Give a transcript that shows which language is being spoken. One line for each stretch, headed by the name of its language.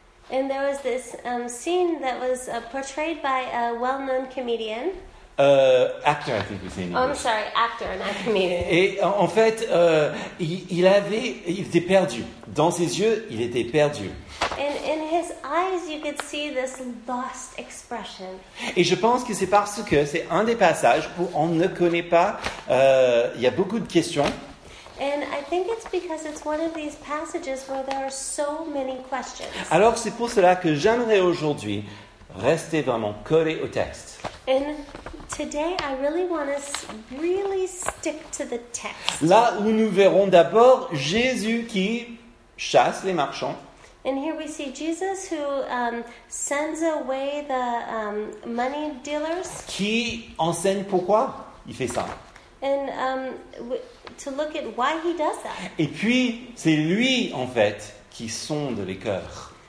English: And there was this scene that was portrayed by a well-known comedian. Actor, I think we say in English. Oh, I'm sorry, actor, not comedian.
French: Et en fait, il était perdu. Dans ses yeux, il était perdu.
English: And in his eyes, you could see this lost expression.
French: Et je pense que c'est parce que c'est un des passages où on ne connaît pas, il y a beaucoup de questions.
English: And I think it's because it's one of these passages where there are so many questions.
French: Alors c'est pour cela que j'aimerais aujourd'hui rester vraiment collé au texte.
English: And today I really want to really stick to the text.
French: Là où nous verrons d'abord Jésus qui chasse les marchands.
English: And here we see Jesus who sends away the money dealers.
French: Qui enseigne pourquoi il fait ça.
English: And to look at why he does that.
French: Et puis, c'est lui, en fait, qui sonde les cœurs.